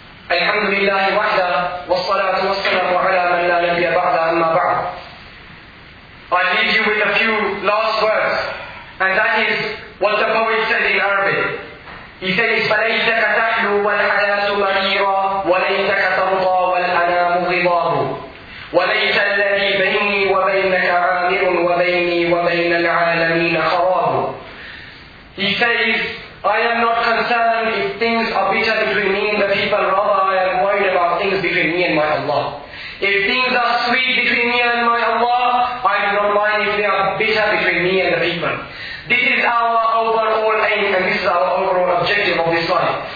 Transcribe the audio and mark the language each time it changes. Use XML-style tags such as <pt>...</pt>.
<ar>الحمد لله وحده والصلاة والسلام على من لا نبي بعد أما بعد.</ar> <en>I leave you with a few last words, and that is what the poet said in Arabic. He says,</en> <ar>فليتك تحلو والحياة مغيرة وليتك ترضى والأنام غضاب وليت الذي بيني وبينك عامر وبيني وبين العالمين خراب.</ar> <en>He says, I am not concerned if things are bitter between me and the people, rather I am worried about things between me and my Allah. If things are sweet between me and my Allah, I do not mind if they are bitter between me and the people. This is our overall aim and this is our overall objective of this life.</en>